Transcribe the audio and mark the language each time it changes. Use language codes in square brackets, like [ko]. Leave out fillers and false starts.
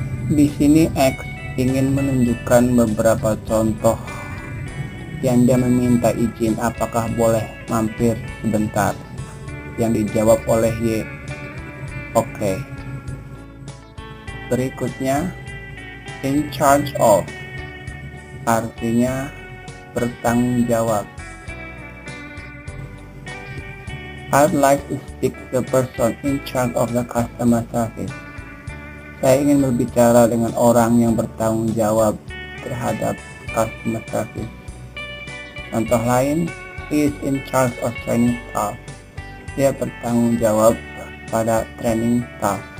[id] Di sini X ingin menunjukkan beberapa contoh yang dia meminta izin apakah boleh mampir sebentar. Yang dijawab oleh Y. Okay. Berikutnya, in charge of. Artinya bertanggung jawab. [en] I'd like to speak to the person in charge of the customer service. [id] Saya ingin berbicara dengan orang yang bertanggung jawab terhadap customer service. Contoh lain, [en] he is in charge of training staff. [id] Dia bertanggung jawab pada training staff.